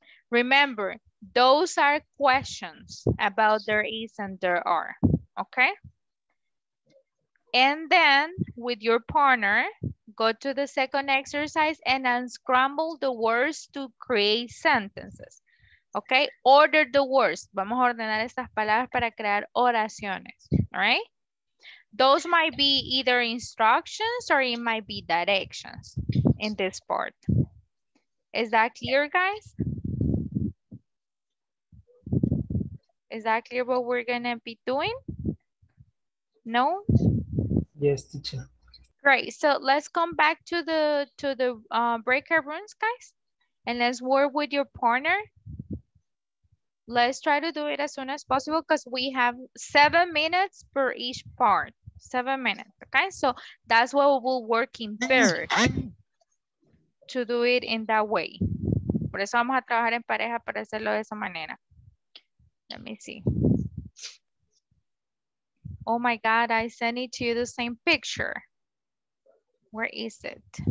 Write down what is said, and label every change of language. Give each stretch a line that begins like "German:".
English: Remember, those are questions about there is and there are, okay? And then with your partner, go to the second exercise and unscramble the words to create sentences. Okay, order the words.
Spanish: Vamos a ordenar estas palabras para crear oraciones,
English: all right? Those might be either instructions or it might be directions in this part. Is that clear, guys? Is that clear what we're gonna be doing? No? Yes, teacher. Great, so let's come back to the breakout rooms, guys. And let's work with your partner. Let's try to do it as soon as possible because we have 7 minutes per each part. 7 minutes, okay? So that's what we'll work in pairs to do it in that way.
Spanish: Por eso vamos a trabajar en pareja para hacerlo de esa manera.
English: Let me see. Oh my God, I sent it to you the same picture. Where is it?